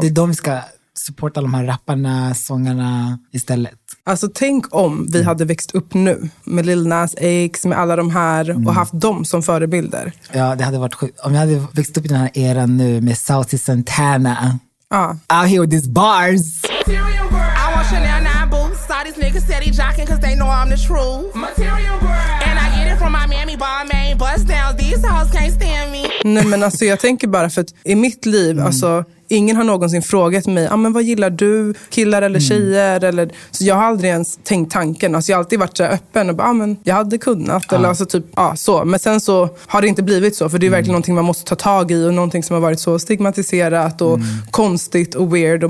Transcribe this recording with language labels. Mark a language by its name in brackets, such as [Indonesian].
[Swedish] Det är de vi ska supporta, de här rapparna, sångarna istället. Alltså tänk om vi hade växt upp nu med Lil Nas X, med alla de här och haft dem som förebilder. Ja, det hade varit sjukt. Om jag hade växt upp i den här eran nu med Saucy Santana. Ja. [English] Out here with these bars. Material world. I want Chanel 9 boots. Saw these niggas steady jocking cause they know I'm the truth. Material world. And I get it from my mammy ball main bust down. These hoes can't stand me. [Swedish] Nej, men alltså jag tänker bara, för att i mitt liv, alltså ingen har någonsin frågat mig, men vad gillar du, killar eller tjejer? Eller, så jag har aldrig ens tänkt tanken. Alltså, jag har alltid varit så öppen och bara, men jag hade kunnat. Eller, alltså, typ, så. Men sen så har det inte blivit så, för det är verkligen någonting man måste ta tag i och någonting som har varit så stigmatiserat och konstigt och weird.